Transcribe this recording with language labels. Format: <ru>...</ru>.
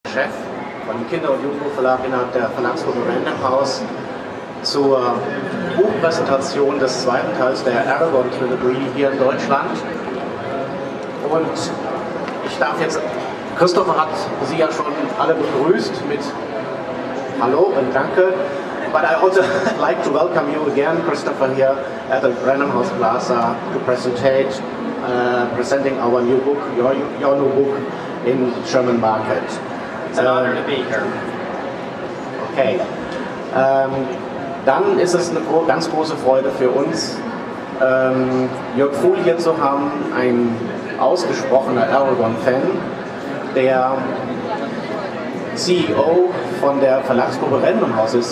<de>Chef von dem Kinder- und Jugendbuchverlag innerhalb der Verlagsgruppe Random House zur Buchpräsentation des zweiten Teils der Aragorn-Trilogie hier in Deutschland. Und ich darf jetzt, Christopher hat Sie ja schon alle begrüßt mit Hallo und Danke.</de> <en>But I also like to welcome you again, Christopher, here at the Random House Plaza to presenting our new book, your new book, in the German market. It's an honor to be here. Okay.</en> <de>Dann ist es eine ganz große Freude für uns, Jörg Fuhl hier zu haben, ein ausgesprochener Aragorn-Fan, der CEO von der Verlagsgruppe Random House ist.</de>